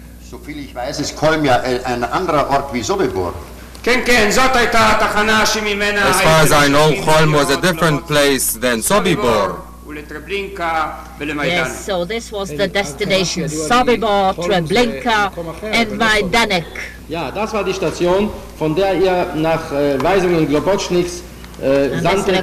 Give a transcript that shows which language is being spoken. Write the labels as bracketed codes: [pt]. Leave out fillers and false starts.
[de] So viel ich weiß, ist Köln ja ein anderer Ort wie Sobibor. [he] Ken, Ken, זאת הייתה התחנה שממנה... [en] As far as I know, Köln was a different place than Sobibor. Yes, so this was the destination, Sobibor, Treblinka, and Majdanek. [de] Ja, das war die Station, von der ihr nach Weisungen Globocniks sandtet.